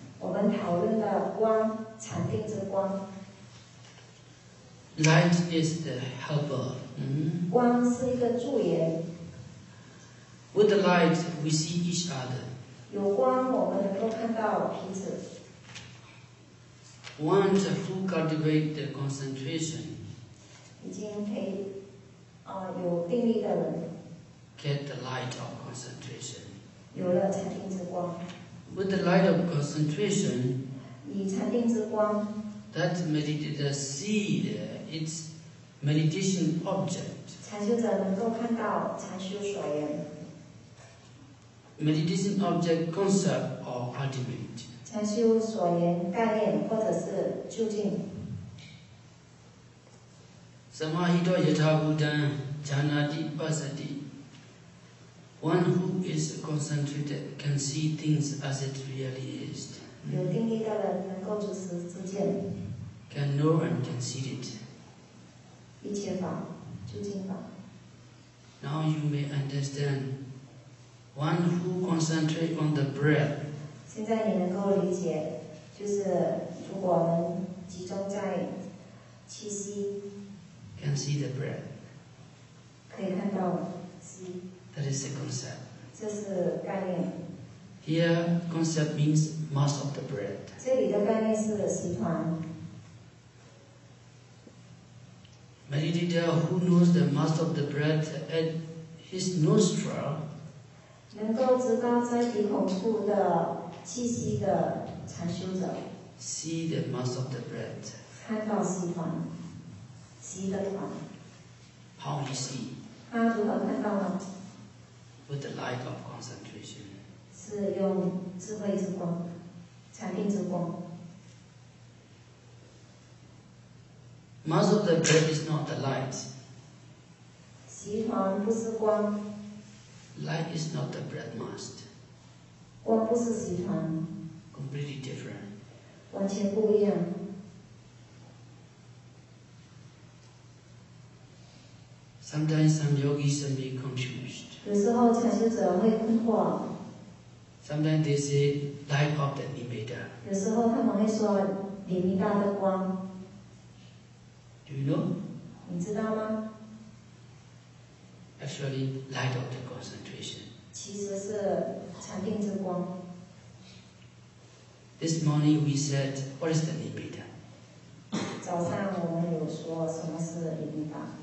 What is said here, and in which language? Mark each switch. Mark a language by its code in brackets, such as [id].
[en] We have discussed the light of concentration. Light is the helper. [zh] Mm-hmm. 光是一个助缘。 [en] With the light, we see each other. [zh] 有光，我们能够看到彼此。 [en] Once who cultivate the concentration, [zh] 已经可以，有定力的人。 [en] Get the light of concentration. [zh] 有了禅定之光。 [en] With the light of concentration, [zh] 以禅定之光。 [en] That meditative seed, its meditation object. [zh] 禅修者能够看到禅修所缘。 [en] Meditation object, concept, or ultimate. [zh] 禅修所缘概念或者是究竟。 [pi] Samahito yatha buddhan janati pasati. [en] One who is concentrated can see things as it really is. [zh] 有定力的人能够主持自见。 [en] Can know and can see it. [zh] 一切法，究竟法。 [en] Now you may understand. One who concentrate on the breath. [zh] 现在你能够理解，就是如果我们集中在气息。 [en] Can see the breath. [zh] 可以看到息。 [en] That is the concept. [zh] 这是概念。 [en] Here, concept means mass of the breath. [zh] 这里的概念是息团。 [en] Meditator who knows the mass of the breath at his nostril, [zh] 能够知道在鼻孔处的气息的禅修者 [en] ，see the mass of the breath， [zh] 看到息团，息的团。 [en] How he see？ [zh] 他如何看到呢 [en] ？With the light of concentration， [zh] 是用智慧之光，禅定之光。 [en] Mass of the breath is not the light. [zh] 息团不是光。 [en] Light is not the breath mass. [zh] 光不是息团。 [en] Completely different. [zh] 完全不一样。 [en] Sometimes some yogis may be confused. [zh] 有时候禅修者会困惑。 [en] Sometimes they say light of the nibbana. [zh] 有时候他们会说涅槃大的光。 [en] Do you know? [zh] 你知道吗 [en] Actually, light of the concentration. [zh] 其实是禅定之光。 [en] This morning we said, what is the nibbana? [zh] 早上我们有说什么是涅槃。